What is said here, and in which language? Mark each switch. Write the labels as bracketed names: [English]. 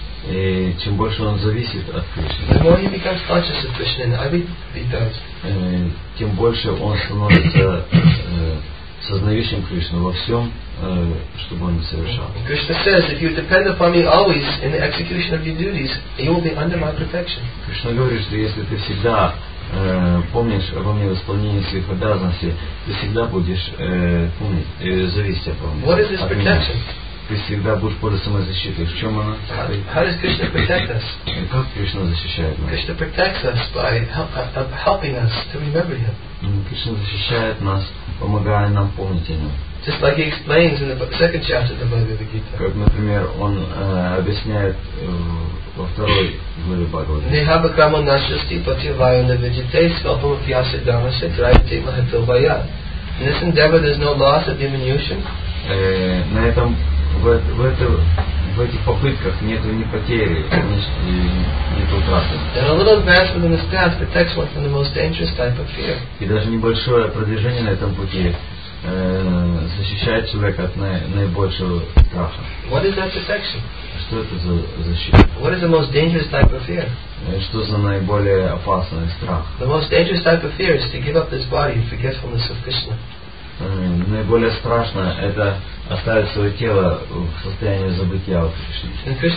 [Russian] И чем больше он зависит от Кришны, тем больше он становится сознающим Кришну во всем, что бы он совершал. [English] Krishna says, if you depend upon me always in the execution of your duties, you will be under my protection. [Russian] Кришна говорит, что если ты всегда помнишь обо мне в исполнении своих обязанностей, ты всегда будешь зависеть от меня. [English] What is this protection? [Russian] Ты всегда будешь под самой защитой. В чем она? [English] How does Krishna protect us? [Russian] Как Кришна защищает нас? [English] Krishna protects us by helping us to remember Him. [Russian] Кришна защищает нас, помогая нам помнить о Нем. [English] Just like He explains in the second chapter of the Bhagavad Gita. [Russian] Как, например, он объясняет во второй главе Бхагавады. Нехаба крама нашасти патилвайо на веджитей скалпам фьяса дамаса драйвати махатилвая. [English] In this endeavor there's no loss or diminution. [Russian] На этом в этих попытках нет ни потери, ни утраты. [English] And a little advancement in this path protects one from the most dangerous type of fear. [Russian] И даже небольшое продвижение на этом пути защищает человека от наибольшего страха. [English] What is that protection? [Russian] Что это за защита? [English] What is the most dangerous type of fear? [Russian] Что за наиболее опасный страх? [English] The most dangerous type of fear is to give up this body in forgetfulness of Krishna. [Russian] Наиболее страшное – это оставить свое тело в состоянии забытия о Кришне.